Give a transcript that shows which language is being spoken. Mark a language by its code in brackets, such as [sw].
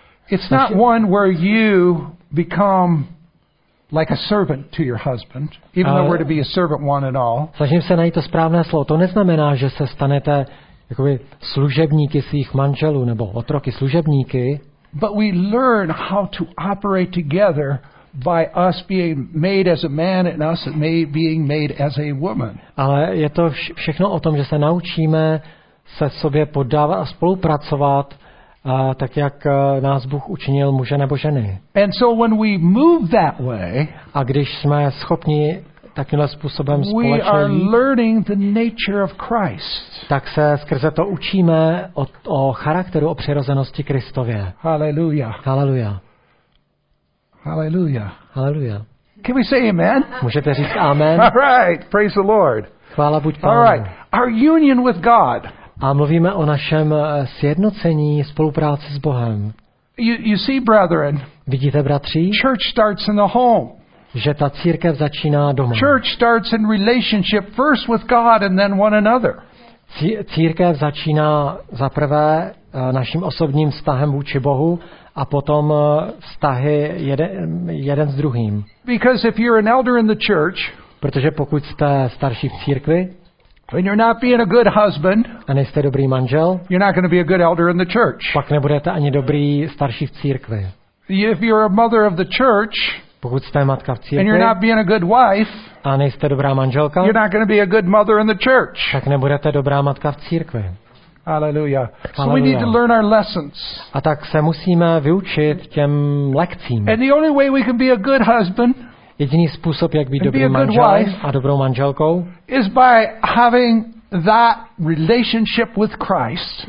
[en] It's not one where you become like a servant to your husband, even though we're to be a servant one and all. [cs] Snažím se najít to správné slovo. To neznamená, že se stanete jakoby služebníky svých manželů nebo otroky služebníky. [en] But we learn how to operate together by us being made as a man and us being made as a woman. [cs] Ale je to všechno o tom, že se naučíme se sobě poddávat a spolupracovat. Tak jak nás Bůh učinil muže nebo ženy. [en] And so when we move that way, [cs] a když jsme schopni takovým způsobem společně, [en] we are learning the nature of Christ. [cs] Tak se skrze to učíme o charakteru, o přirozenosti Kristově. Haleluja. Haleluja. Haleluja. Haleluja. [en] Can we say amen? [cs] Můžete říct amen? [en] All right, praise the Lord. [cs] Chvála buď Pánu. [en] All right, our union with God. [cs] A mluvíme o našem sjednocení, spolupráci s Bohem. [en] You see, brethren, [cs] vidíte, bratři, [en] church starts in the home. [cs] Že ta církev začíná doma. [en] Church starts in relationship first with God and then one another. [cs] Církev začíná zaprvé naším osobním vztahem vůči Bohu a potom vztahy jeden s druhým. [en] Because if you're an elder in the church, [cs] protože pokud jste starší v církvi, [en] when you're not being a good husband, [cs] a nejste dobrý manžel, [en] you're not going to be a good elder in the church. [cs] Pak nebudete ani dobrý starší v církvi. [en] If you're a mother of the church, [cs] pokud jste matka v církvi, [en] and you're not being a good wife, [cs] a nejste dobrá manželka, [en] you're not going to be a good mother in the church. [cs] Tak nebudete dobrá matka v církvi. [en] Hallelujah. [cs] Hallelujah. [en] So we need to learn our lessons. [cs] A tak se musíme vyučit těm lekcím. [en] And the only way we can be a good husband, [cs] jediný způsob, jak být dobrým manželem a dobrou manželkou, [en] is by having that relationship with Christ.